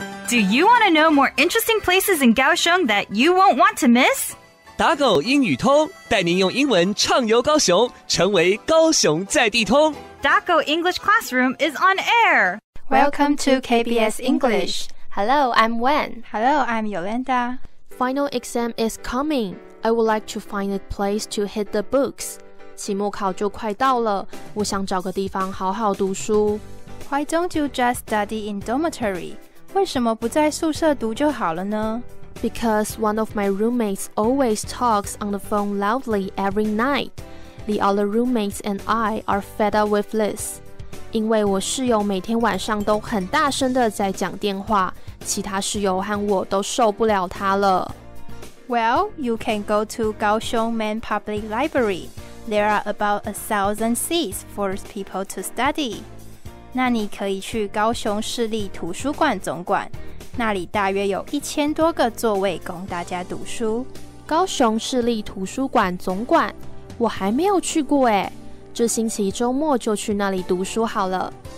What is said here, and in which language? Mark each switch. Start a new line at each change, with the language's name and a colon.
English: Do you want to know more interesting places in Kaohsiung that you won't want to miss?
Chinese: 打狗英语通，带您用英文畅游高雄，成为高雄在地通。
English: Daco English Classroom is on air. Welcome to KBS English. Hello, I'm Wen. Hello, I'm Yolanda. Final exam is coming. I would like to find a place to hit the books.
Chinese: 期末考就快到了，我想找个地方好好读书。
English: Why don't you just study in dormitory?
Chinese: 为什么不在宿舍读就好了呢？
English: Because one of my roommates always talks on the phone loudly every night. The other roommates and I are fed up with this.
Chinese: 因为我室友每天晚上都很大声地在讲电话，其他室友和我都受不了他了。
English: Well, you can go to Kaohsiung Main Public Library. There are about 1,000 seats for people to study.
Chinese: 那你可以去高雄市立图书馆总馆。那里大约有1000多个座位供大家读书。高雄市立图书馆总馆，我还没有去过耶，这星期周末就去那里读书好了。